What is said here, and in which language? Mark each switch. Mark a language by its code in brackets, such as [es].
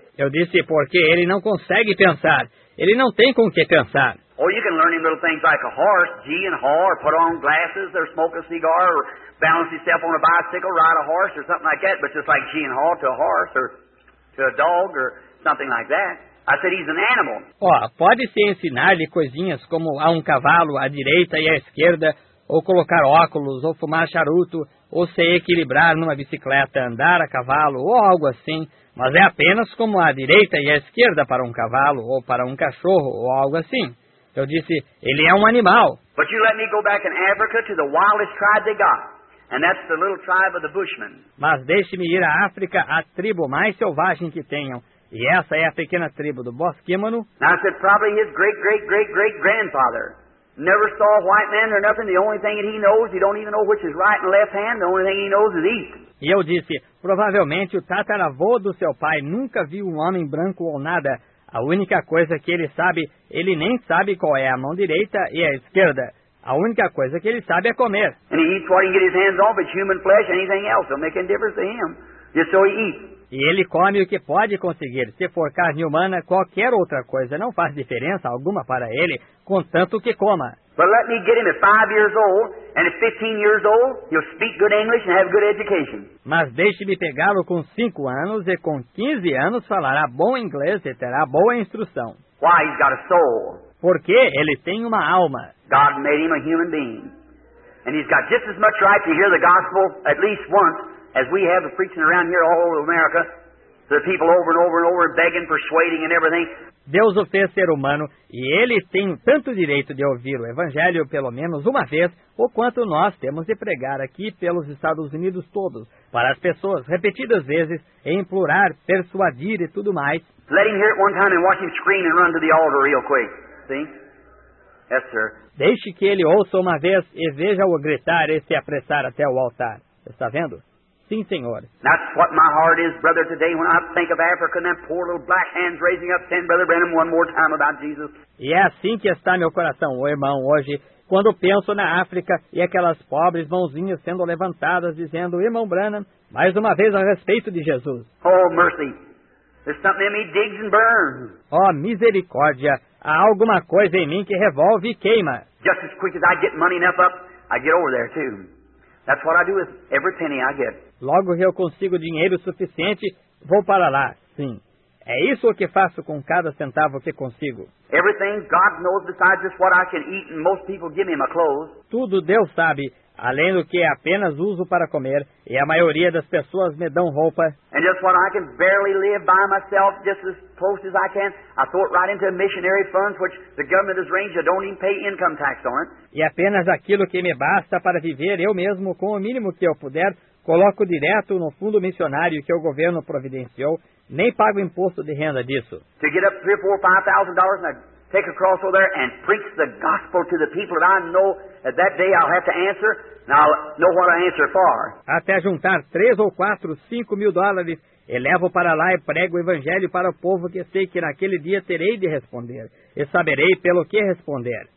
[pt] Eu disse, porque ele não consegue pensar. Ele não tem com o que pensar. [en] Or you can learn him little things like a horse, gee and haw, or put on glasses, or smoke a cigar, or balance himself on a bicycle, ride a horse, or something like that, but just like gee and haw to a horse, or to a dog, or something like that. I said, he's an animal. [pt] Pode-se ensinar-lhe coisinhas como a cavalo, à direita e à esquerda, ou colocar óculos, ou fumar charuto, ou se equilibrar numa bicicleta, andar a cavalo, ou algo assim. Mas é apenas como a direita e a esquerda para cavalo, ou para cachorro, ou algo assim. Eu disse, ele é animal. [en] But you let me go back in Africa to the wildest tribe they got. And that's the little tribe of the Bushmen. [pt] Mas deixe-me ir à África, à tribo mais selvagem que tenham. E essa é a pequena tribo do Bosquimano. [en] Now I said, probably his great-great-great-great-grandfather. Never saw a white man or nothing. The only thing that he knows, he don't even know which is right and left hand. The only thing he knows is east. [pt] E eu disse, provavelmente o tataravô do seu pai nunca viu homem branco ou nada. A única coisa que ele sabe, ele nem sabe qual é a mão direita e a esquerda. A única coisa que ele sabe é comer. [en] And he eats what he can get his hands off, it's human flesh, anything else. Don't make any difference to him. Just so he eats. [pt] E ele come o que pode conseguir. Se for carne humana, qualquer outra coisa não faz diferença alguma para ele, contanto que coma. [en] But let me get him at 5 years old, and at 15 years old, he'll speak good English and have good education. [pt] Mas deixe-me pegá-lo com 5 anos, e com 15 anos falará bom inglês e terá boa instrução. [en] Why? He's got a soul. [pt] Porque ele tem uma alma. [en] God made him a human being. And he's got just as much right to hear the gospel at least once as we have the preaching around here all over America, the people over and over and over begging, persuading and everything. [pt] Deus o fez ser humano e ele tem tanto direito de ouvir o evangelho pelo menos uma vez o quanto nós temos de pregar aqui pelos Estados Unidos todos, para as pessoas repetidas vezes, e implorar, persuadir e tudo mais. [en] Let him hear it one time and watch him scream and run to the altar real quick. See? Yes, sir. [pt] Deixe que ele ouça uma vez e veja-o gritar e se apressar até o altar. Está vendo? Sim, senhor. [en] That's what my heart is, brother, today when I think of Africa and them poor little black hands raising up saying, Brother Branham, one more time about Jesus. [pt] E é assim que está meu coração, irmão, hoje, quando penso na África e aquelas pobres mãozinhas sendo levantadas dizendo, irmão Branham, mais uma vez a respeito de Jesus. [en] Oh, mercy. There's something in me digs and burns. [pt] Oh, misericórdia. Há alguma coisa em mim que revolve e queima. [en] Just as quick as I get money enough up, I get over there too. That's what I do with every penny I get. [pt] Logo que eu consigo dinheiro suficiente, vou para lá, sim. É isso o que faço com cada centavo que consigo. [en] Everything God knows besides just what I can eat and most people give me my clothes. [pt] Tudo Deus sabe, além do que apenas uso para comer, e a maioria das pessoas me dão roupa. [en] And just what I can barely live by myself, just as close as I can, I throw it right into a missionary fund, which the government has arranged, I don't even pay income tax on it. [pt] E apenas aquilo que me basta para viver eu mesmo com o mínimo que eu puder, coloco direto no fundo missionário que o governo providenciou, nem pago imposto de renda disso. [en] To get up $3,000 or $5,000 and I take a cross over there and preach the gospel to the people that I know at that day I'll have to answer, and I'll know what I answer for. [pt] Até juntar $3,000 or $4,000 or $5,000 e levo para lá e prego o evangelho para o povo que sei que naquele dia terei de responder e saberei pelo que responder.